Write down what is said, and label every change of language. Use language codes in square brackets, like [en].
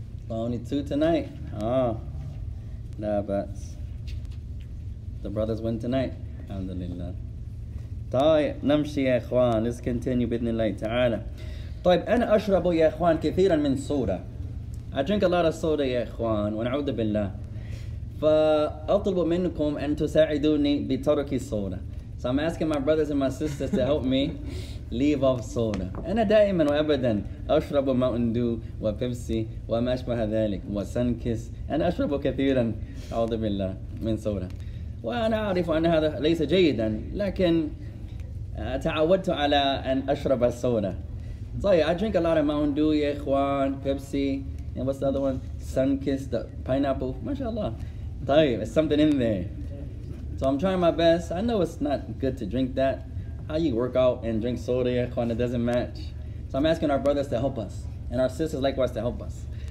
[en] Only two tonight. Oh, nah, but the brothers win tonight. Alhamdulillah. [ar] طيب نمشي يا اخوان. [en] Let's continue [ar] بإذن الله تعالى. طيب أنا أشرب يا اخوان كثيرا من صودا. [en] I drink a lot of soda [ar] يا اخوان ونعوذ بالله. فأطلب منكم أن تساعدوني بترك الصودا. [en] So I'm asking my brothers and my sisters to help me leave off soda. [ar] أنا دائما وأبدا أشرب Mountain Dew وبيبسي وما أشبه ذلك وسنكس. أنا أشرب كثيرا أعوذ بالله من صودا. وأنا أعرف أن هذا ليس جيدا لكن تعودت على أن أشرب الصودا. [en] So yeah, I drink a lot of Mountain Dew, [ar] يا إخوان, [en] Pepsi, and what's the other one? Sunkist, the pineapple. MashaAllah. طيب, it's something in there. So I'm trying my best. I know it's not good to drink that. How you work out and drink soda, [ar] يا إخوان, [en] it doesn't match. So I'm asking our brothers to help us, and our sisters likewise to help us.